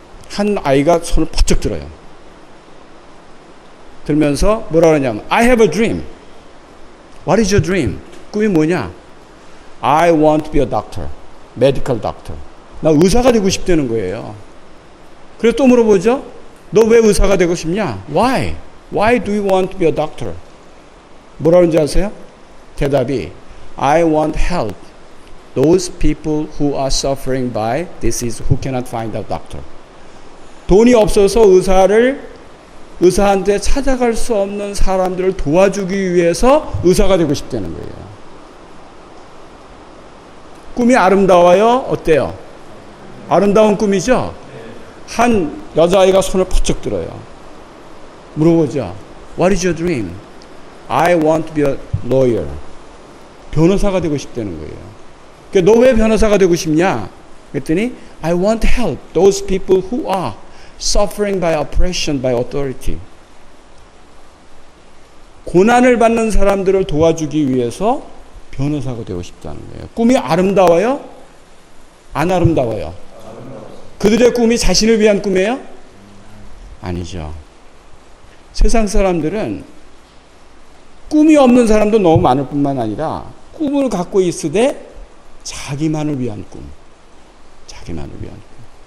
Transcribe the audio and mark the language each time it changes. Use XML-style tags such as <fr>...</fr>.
<ko>한 아이가 손을 퍼쩍 들어요. 들면서 뭐라 그러냐면</ko> <en>I have a dream. What is your dream?</en> <ko>꿈이 뭐냐?</ko> <en>I want to be a doctor. Medical doctor.</en> <ko>나 의사가 되고 싶다는 거예요. 그래서 또 물어보죠. 너 왜 의사가 되고 싶냐?</ko> <en>Why? Why do you want to be a doctor?</en> <ko>뭐라는지 아세요? 대답이</ko> <en>I want to help those people who are suffering by disease who cannot find a doctor.</en> <ko>돈이 없어서 의사한테 찾아갈 수 없는 사람들을 도와주기 위해서 의사가 되고 싶다는 거예요. 꿈이 아름다워요? 어때요? 아름다운 꿈이죠? 한 여자아이가 손을 퍼쩍 들어요. 물어보죠.</ko> <en>What is your dream? I want to be a lawyer.</en> <ko>변호사가 되고 싶다는 거예요. 그러니까 너 왜 변호사가 되고 싶냐? 그랬더니</ko> <en>I want to help those people who are suffering by oppression, by authority.</en> <ko>고난을 받는 사람들을 도와주기 위해서 변호사가 되고 싶다는 거예요. 꿈이 아름다워요? 안 아름다워요? 그들의 꿈이 자신을 위한 꿈이에요? 아니죠. 세상 사람들은 꿈이 없는 사람도 너무 많을 뿐만 아니라 꿈을 갖고 있으되 자기만을 위한 꿈. 자기만을 위한 꿈.</ko>